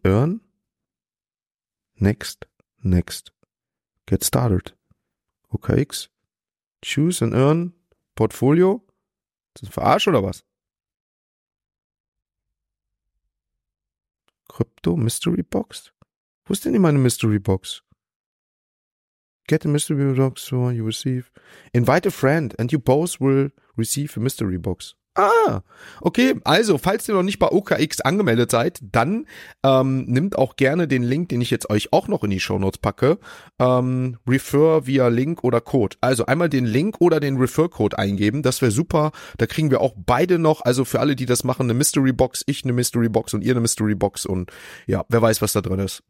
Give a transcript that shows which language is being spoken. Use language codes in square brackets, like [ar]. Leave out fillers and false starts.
[en] Earn? Next. Get started. OKX. Choose and earn. Portfolio. [de] Ist das ein Verarsch oder was? Krypto Mystery Box? Wo ist denn die meine Mystery Box? [en] Get the Mystery Box, so you receive. Invite a friend and you both will receive a Mystery Box. Ah, okay. [de] Also, falls ihr noch nicht bei OKX angemeldet seid, dann nehmt auch gerne den Link, den ich jetzt euch auch noch in die Shownotes packe. [en] Refer via Link [de] oder Code. Also einmal den Link oder den Refer-Code eingeben. Das wäre super. Da kriegen wir auch beide noch, also für alle, die das machen, eine Mystery Box, ich eine Mystery Box und ihr eine Mystery Box und ja, wer weiß, was da drin ist.